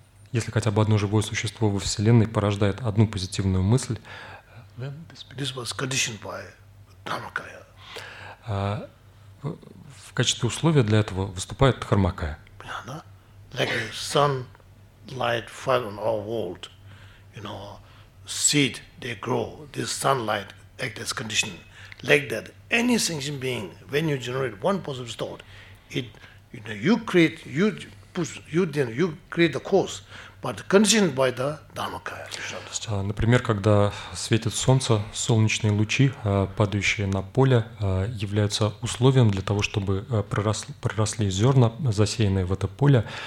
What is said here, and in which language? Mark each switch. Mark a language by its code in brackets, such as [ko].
[ru] Если хотя бы одно живое существо во Вселенной порождает одну позитивную мысль, [en] this was conditioned by Dharmakaya. [ru] В качестве условия для этого выступает Дхармакая. Понятно? [en] Like sun, light, fire on our world, you know, seed, they grow, this sunlight act as condition. Like that, any sentient being, when you generate one positive thought, it, you know, you create, you push, you then, you create the cause, but conditioned by the Dharmakaya. [ru] Например, когда светит солнце, солнечные лучи, падающие на поле, являются условием для того, чтобы проросли зерна, засеянные в это поле.